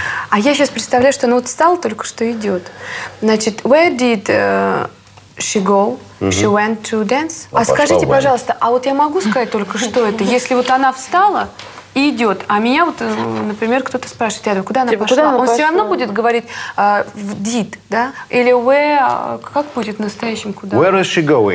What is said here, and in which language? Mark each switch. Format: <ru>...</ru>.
<ru>А я сейчас представляю, что она вот встала, только что идет. Значит,</ru> <en>where did... She go, she went to dance.</en> <ru>А скажите, went. Пожалуйста, а вот я могу сказать только, что это? Если вот она встала и идет, а меня вот, например, кто-то спрашивает, я говорю, куда она пошла? Куда она пошла? Все равно будет говорить did, да? Или where, как будет в настоящем куда?</ru> <en>Where is she going?</en>